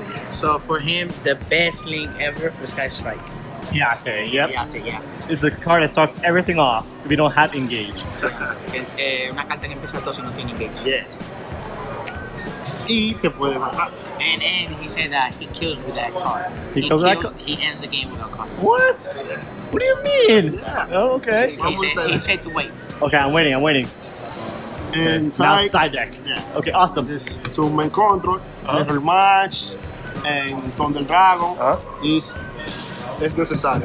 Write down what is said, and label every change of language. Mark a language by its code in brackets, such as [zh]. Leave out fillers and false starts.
[en] So for him, the best link ever for Sky Strike. Yate, yep. Yate, yeah. It's a card that starts everything off if you don't have engage. [es] Una carta que empieza todo si no tiene engage. Yes. Y te puede matar. [en] And he said that he kills with that card. He kills that card? He ends the game with that card. What? What do you mean? Yeah. Oh, okay. He said to wait. Okay, I'm waiting. And okay, now side deck. Yeah. Okay, awesome. This two main control, every match, and Thunder Dragon is necessary.